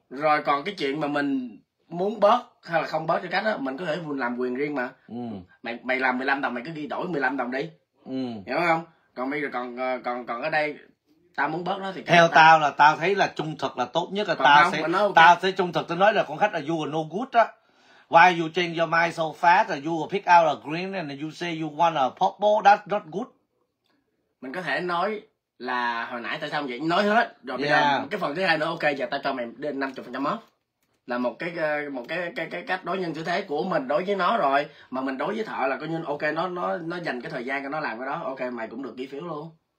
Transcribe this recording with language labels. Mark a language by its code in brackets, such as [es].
[vi] Rồi còn cái chuyện mà mình muốn bớt hay là không bớt cho khách á, mình có thể làm quyền riêng mà. Ừ. Mày làm 15 đồng mày cứ ghi đổi 15 đồng đi. Ừ. Hiểu không? Còn bây giờ còn ở đây tao muốn bớt nó thì theo tao là tao thấy là trung thực là tốt nhất, là tao sẽ trung thực. Tao nói là con khách là [en] you are no good [vi] á. [en] Why you change your mind so fast? You are pick out a green and you say you want a purple, that's not good. [vi] Mình có thể nói là hồi nãy tại sao vậy, nói hết rồi. Bây giờ cái phần thứ hai nữa, ok, giờ tao cho mày 50% off là một cái cách đối nhân xử thế của mình đối với nó rồi, mà mình đối với thợ là coi như ok, nó dành cái thời gian cho nó làm cái đó, ok, mày cũng được ghi phiếu luôn.